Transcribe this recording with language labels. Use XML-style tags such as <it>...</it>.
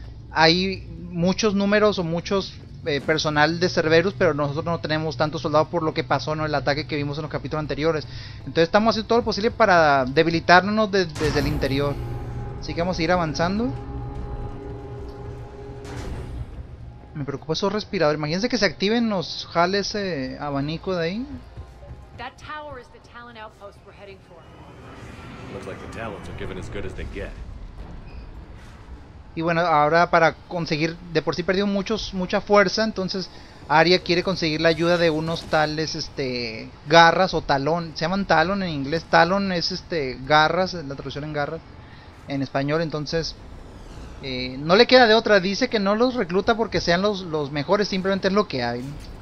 <es>Hay muchos números o muchos personal de Cerberus, pero nosotros no tenemos tantos soldados por lo que pasó, ¿no? El ataque que vimos en los capítulos anteriores. Entonces estamos haciendo todo lo posible para debilitarnos desde el interior. Así que vamos a ir avanzando. Me preocupa esos respiradores. Imagínense que se activen, nos jale ese abanico de ahí.</es> <en>That tower is the Talon outpost we're heading for. Looks like the Talons are given as good as they get.</en> <es>Y bueno, ahora para conseguir, de por sí perdió mucha fuerza, entonces Arya quiere conseguir la ayuda de unos tales, garras o talón. Se llaman talón en inglés. Talón es, garras, la traducción en garras en español. Entonces, no le queda de otra. Dice que no los recluta porque sean los mejores, simplemente es lo que hay, ¿no?</es>